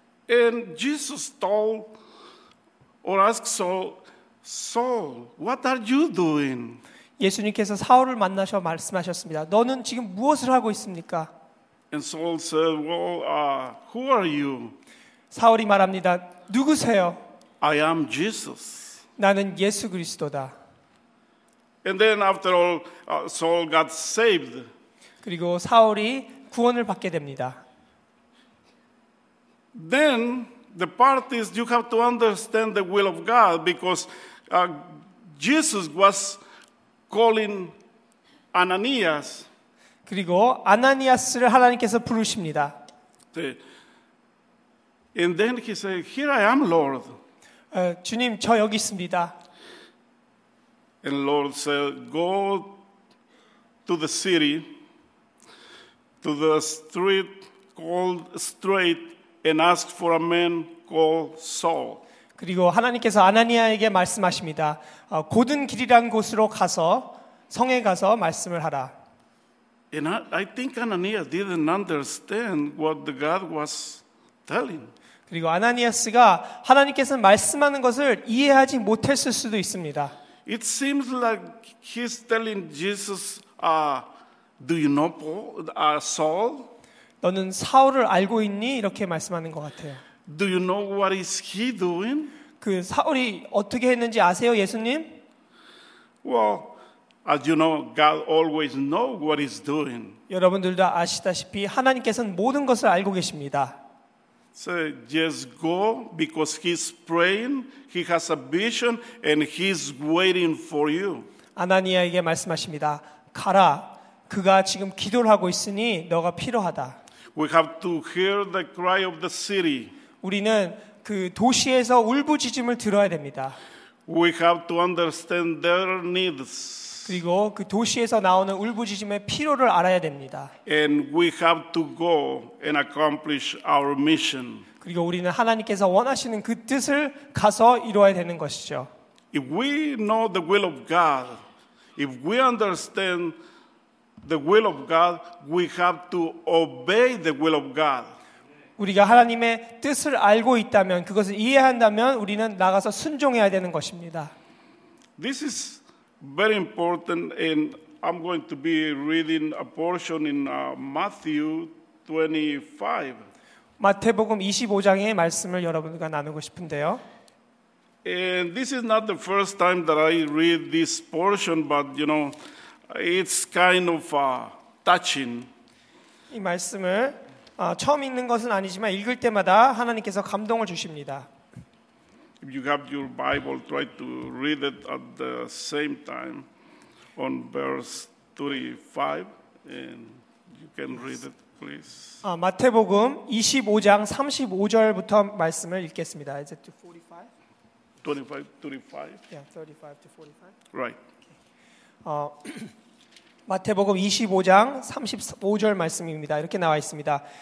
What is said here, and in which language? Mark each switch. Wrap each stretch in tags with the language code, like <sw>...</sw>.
<en>And Jesus told or asked Saul, Saul, what are you doing?</en> <ko>예수님께서 사울을 만나셔 말씀하셨습니다. 너는 지금 무엇을 하고 있습니까?</ko> <en>And Saul said, Well, who are you?</en> <ko>사울이 말합니다. 누구세요?</ko> <en>I am Jesus.</en> <ko>나는 예수 그리스도다.</ko> <en>And then after all, Saul got saved.</en> <ko>그리고 사울이 구원을 받게 됩니다.</ko> <en>Then the part is you have to understand the will of God because Jesus was calling Ananias.</en> <ko>그리고 아나니아스를 하나님께서 부르십니다.</ko> <en>And then he said, "Here I am, Lord."</en> <ko>주님, 저 여기 있습니다.</ko> <en>And Lord said, "Go to the city, to the street called Straight, and ask for a man called Saul."</en> <ko>그리고 하나님께서 아나니아에게 말씀하십니다. 고든 길이란 곳으로 가서 성에 가서 말씀을 하라.</ko> <en>And I think Ananias didn't understand what the God was telling.</en> <ko>그리고 아나니아스가 하나님께서 말씀하는 것을 이해하지 못했을 수도 있습니다.</ko> <en>It seems like he's telling Jesus, "Do you know Paul, Saul?"</en> <ko>너는 사울을 알고 있니? 이렇게 말씀하는 것 같아요.</ko> <en>"Do you know what is he doing?"</en> <ko>그 사울이 어떻게 했는지 아세요, 예수님?</ko> <en>Well, as you know, God always knows what he's doing.</en> <ko>여러분들도 아시다시피 하나님께서는 모든 것을 알고 계십니다.</ko> <en>So just go because he's praying, he has a vision, and he's waiting for you.</en> <ko>아나니아에게 말씀하십니다. 가라. 그가 지금 기도를 하고 있으니 너가 필요하다.</ko> <en>We have to hear the cry of the city.</en> <ko>우리는 그 도시에서 울부짖음을 들어야 됩니다.</ko> <en>We have to understand their needs.</en> <ko>그리고 그 도시에서 나오는 울부짖음의 필요를 알아야 됩니다.</ko> <en>And we have to go and accomplish our mission.</en> <ko>그리고 우리는 하나님께서 원하시는 그 뜻을 가서 이루어야 되는 것이죠.</ko> <en>If we know the will of God, if we understand the will of God, we have to obey the will of God.</en> <ko>우리가 하나님의 뜻을 알고 있다면, 그것을 이해한다면 우리는 나가서 순종해야 되는 것입니다.</ko> <en>This is very important, and I'm going to be reading a portion in Matthew 25.</en> <ko>마태복음 25장의 말씀을 여러분과 나누고 싶은데요.</ko> <en>And this is not the first time that I read this portion, but you know, it's kind of touching.</en> <ko>이 말씀을 처음 읽는 것은 아니지만 읽을 때마다 하나님께서 감동을 주십니다.</ko> <en>If you have your Bible, try to read it at the same time on verse 35, and you can read it, please.</en> <ko>마태복음 25장 35절부터 말씀을 읽겠습니다.</ko> <en>Is it 45? 35. Yeah, 35 to 45. Right. Okay.</en> <ko>마태복음 25장 35절 말씀입니다. 이렇게 나와 있습니다.</ko>